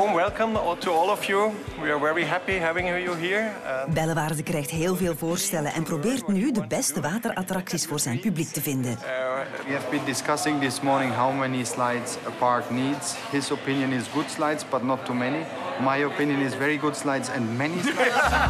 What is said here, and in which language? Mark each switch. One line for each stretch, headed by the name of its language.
English: Warm welcome to all of you. We are very happy having you here.
Dutch: Bellewaerde krijgt heel veel voorstellen en probeert nu de beste waterattracties voor zijn publiek te vinden.
English: We have been discussing this morning how many slides a park needs. His opinion is good slides, but not too many. My opinion is very good slides and many slides.